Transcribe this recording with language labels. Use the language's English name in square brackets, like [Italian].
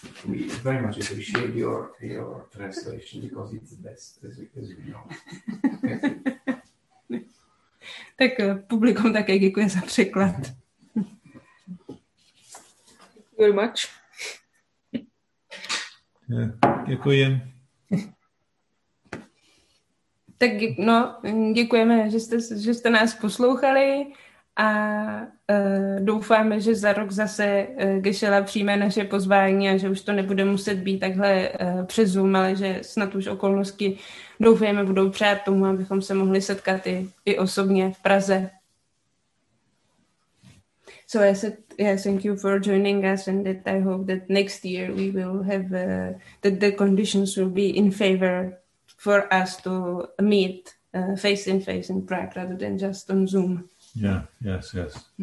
[English] We very much appreciate your translation because it's the best, as we know. [Czech] Tak publikum také děkuje za překlad. [English] Very much. [Czech] Děkuji. Tak no, děkujeme, že jste nás poslouchali a doufáme, že za rok zase Geshe-la přijme naše pozvání a že už to nebude muset být takhle přes Zoom, ale že snad už okolnosti doufujeme budou přát tomu, abychom se mohli setkat i osobně v Praze. [English] So I said, yeah, thank you for joining us, and that I hope that next year we will have that the conditions will be in favor for us to meet face in face in Prague rather than just on Zoom. Yeah, yes, yes.